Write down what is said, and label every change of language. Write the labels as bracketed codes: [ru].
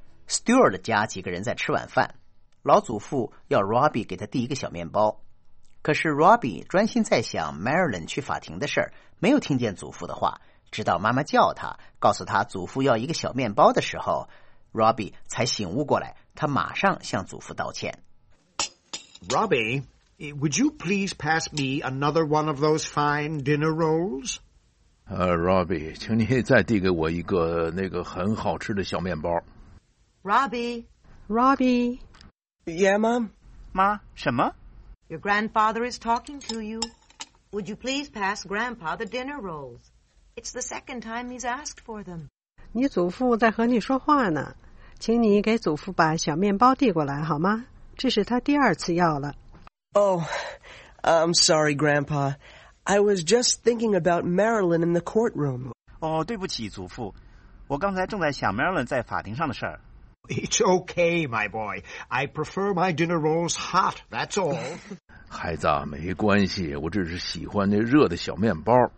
[zh] Stuart 家几个人在吃晚饭，老祖父要 Robbie 给他递一个小面包，可是 Robbie 专心在想 Marilyn 去法庭的事儿，没有听见祖父的话。直到妈妈叫他，告诉他祖父要一个小面包的时候， Robbie 才醒悟过来，他马上向祖父道歉。 [en] Robbie, would you please pass me another one of those fine dinner rolls? [zh] Robbie, 请你再递给我一个那个很好吃的小面包。 [en] Robbie, Robbie, Yeah, Mom? [zh] 妈，什么？ [en] Your grandfather is talking to you. Would you please pass Grandpa the dinner rolls? It's the second time he's asked for them. [zh] 你祖父在和你说话呢，请你给祖父把小面包递过来好吗？这是他第二次要了。 [en] Oh, I'm sorry, Grandpa. I was just thinking about Marilyn in the courtroom. [zh] 哦，对不起，祖父，我刚才正在想 Marilyn 在法庭上的事儿。 [en] It's okay, my boy. I prefer my dinner rolls hot, that's all. [zh] 孩子，没关系，我只是喜欢那热的小面包。